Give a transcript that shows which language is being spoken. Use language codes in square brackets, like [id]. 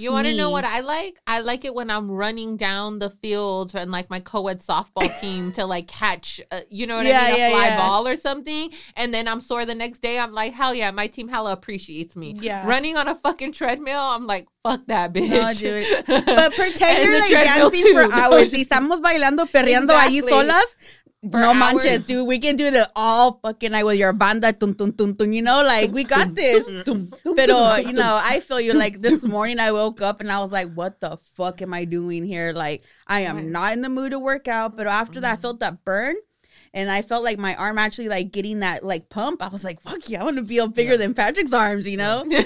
[en] you want to know what I like? I like it when I'm running down the field and like my co-ed softball team to like catch, ball or something. And then I'm sore the next day. I'm like, hell yeah, my team hella appreciates me. Yeah. Running on a fucking treadmill, I'm like, fuck that, bitch. No, dude. But pretend you're like dancing too, for hours. [es] Y estamos bailando, perreando ahí solas. No manches, [en] dude. We can do it all fucking night with your banda. Tum, tum, tum, tum, you know, like, we got this. [es] Pero, [en] you know, I feel you. Like, this morning I woke up and I was like, what the fuck am I doing here? Like, I am not in the mood to work out. But after that, I felt that burn. And I felt like my arm actually, like, getting that, like, pump. I was like, fuck yeah, I want to feel bigger than Patrick's arms, you know?